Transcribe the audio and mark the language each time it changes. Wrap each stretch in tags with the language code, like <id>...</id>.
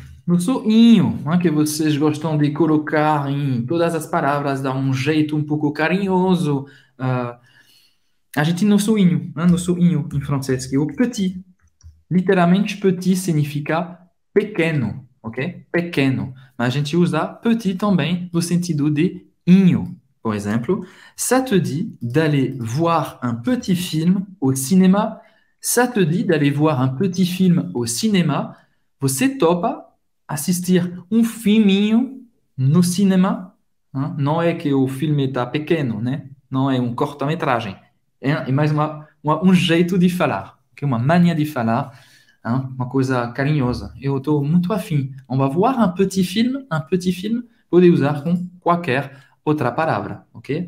<pt>No suinho, hein, que vocês gostam de colocar em todas as palavras, dar um jeito um pouco carinhoso. A gente no suinho. Hein, no suinho em francês, que é o petit. Literalmente, petit significa pequeno. Ok? Pequeno. Mas a gente usa petit também no sentido de inho.</pt> <fr>Por exemplo, ça te dit d'aller voir un petit film au cinéma? Ça te dit d'aller voir un petit film au cinéma?</fr> <pt>Você topa assistir filminho no cinema? Hein? Não é que o filme está pequeno, né? Não é corta-metragem. É mais jeito de falar, que okay? Uma mania de falar. Hein, uma coisa carinhosa. Eu estou muito afim.</pt> <fr>On va voir un petit film,</fr> <pt>podem usar com qualquer outra palavra, ok?</pt>